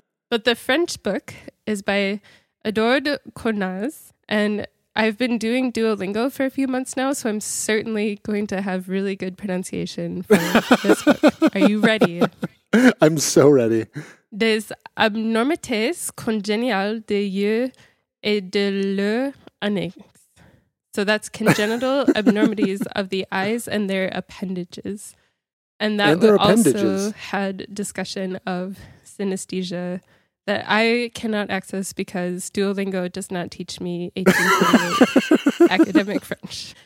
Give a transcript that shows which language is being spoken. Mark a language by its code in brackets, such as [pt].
[en] But the French book is by Edouard Cornaz, and I've been doing Duolingo for a few months now, so I'm certainly going to have really good pronunciation for this book. Are you ready? I'm so ready. [fr] Des abnormités congéniales de yeux et de l'œil annexe. [en] So that's congenital abnormities of the eyes and their appendages. And that also had discussion of synesthesia that I cannot access because Duolingo does not teach me 1848 academic French.